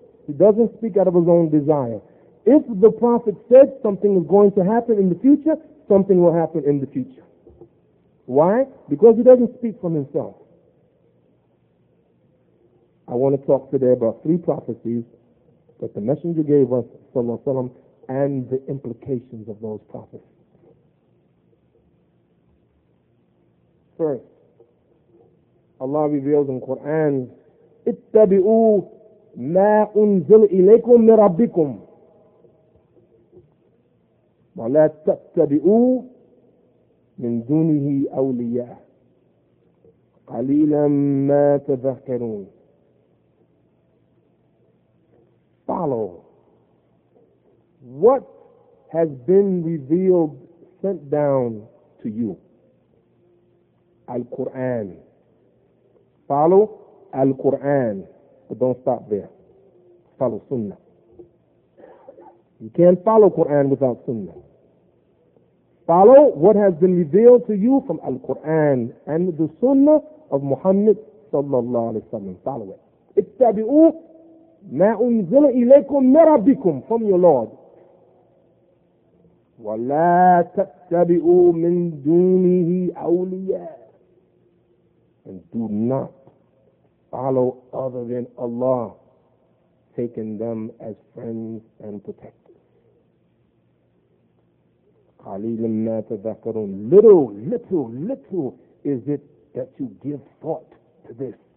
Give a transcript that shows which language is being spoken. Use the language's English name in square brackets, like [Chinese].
[English] He doesn't speak out of his own desire. If the Prophet said something is going to happen in the future, something will happen in the future. Why? Because he doesn't speak from himself. I want to talk today about three prophecies that the Messenger gave us sallallahu alaihi wasallam and the implications of those prophecies. First, Allah reveals in Quran, [Arabic] اتبعوا ما انزل اليكم من ربكم ولا تتبعوا من دونه اولياء قليلا ما تذكرون. [English] Follow what has been revealed, sent down to you. Al-Quran. Follow Al-Quran, but don't stop there. Follow Sunnah. You can't follow Quran without Sunnah. Follow what has been revealed to you from Al-Quran and the Sunnah of Muhammad sallallahu alaihi wasallam. Follow it. [Arabic] اتبعوا ما أنزل إليكم من ربكم, [English] from your Lord. [Arabic] ولا تتبعوا من دونه أولياء. [English] And do not follow other than Allah, taking them as friends and protectors. [Arabic] قَلِيلٌ مَّا تَذَكَّرُونَ. [English] Little, little, little is it that you give thought to this.